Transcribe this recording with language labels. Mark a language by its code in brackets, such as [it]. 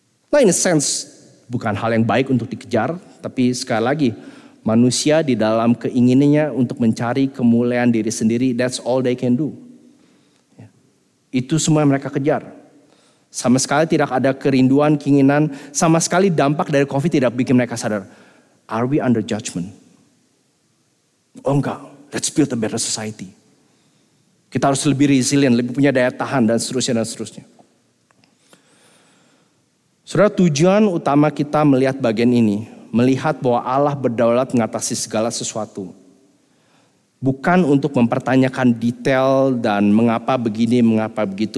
[id] Nah, [en] in a sense, [id] bukan hal yang baik untuk dikejar, tapi sekali lagi, manusia di dalam keinginannya untuk mencari kemuliaan diri sendiri, [en] that's all they can do. [id] Itu semua yang mereka kejar. Sama sekali tidak ada kerinduan, keinginan, sama sekali dampak dari COVID tidak bikin mereka sadar. [en] Are we under judgment? [id] Oh enggak, [en] let's build a better society. [id] Kita harus lebih resilient, lebih punya daya tahan, dan seterusnya, dan seterusnya. Saudara, tujuan utama kita melihat bagian ini, melihat bahwa Allah berdaulat mengatasi segala sesuatu. Bukan untuk mempertanyakan detail dan mengapa begini, mengapa begitu.